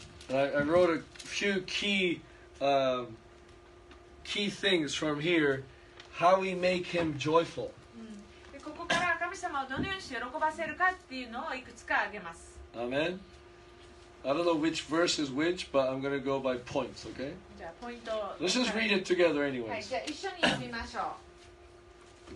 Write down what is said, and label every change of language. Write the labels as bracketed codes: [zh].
[en] I wrote a few key things from here. How we make Him joyful. [ja] ここから神様をどのようにして喜ばせるかっていうのをいくつか挙げます。 [en] Amen. I don't know which verse is which, but I'm going to go by points, okay? [ja] じゃあポイントを、 [en] Let's just read it together anyways. [ja] はい、じゃあ一緒に読みましょう。